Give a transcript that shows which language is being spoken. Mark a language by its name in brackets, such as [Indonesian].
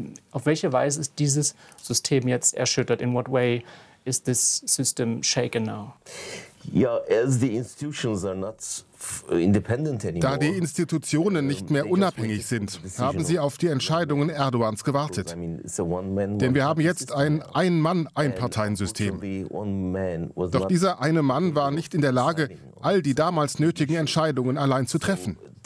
[German] Auf welche Weise ist dieses System jetzt erschüttert? [English] In what way is this system shaken now? [German] Da die Institutionen nicht mehr unabhängig sind, haben sie auf die Entscheidungen Erdogans gewartet. Denn wir haben jetzt ein Ein-Mann-Ein-Parteien-System. Doch dieser eine Mann war nicht in der Lage, all die damals nötigen Entscheidungen allein zu treffen.